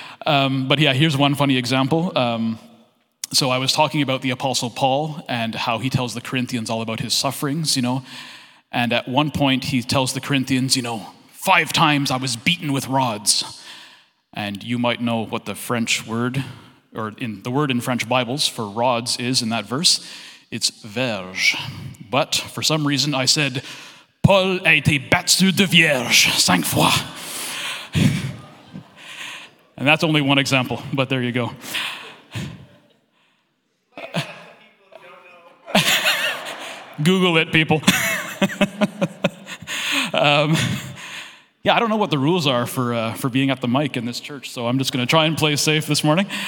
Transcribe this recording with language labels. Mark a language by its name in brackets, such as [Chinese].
[English] Here's one funny example. So I was talking about the Apostle Paul and how he tells the Corinthians all about his sufferings, you know. And at one point he tells the Corinthians, you know, 5 times I was beaten with rods. And you might know what the French word, or in the word in French Bibles for rods is in that verse. It's verge. But for some reason I said, [French] Paul a été battu de vierge 5 fois. [English] And that's only one example, but there you go. Google it, people. I don't know what the rules are for being at the mic in this church, so I'm just going to try and play safe this morning.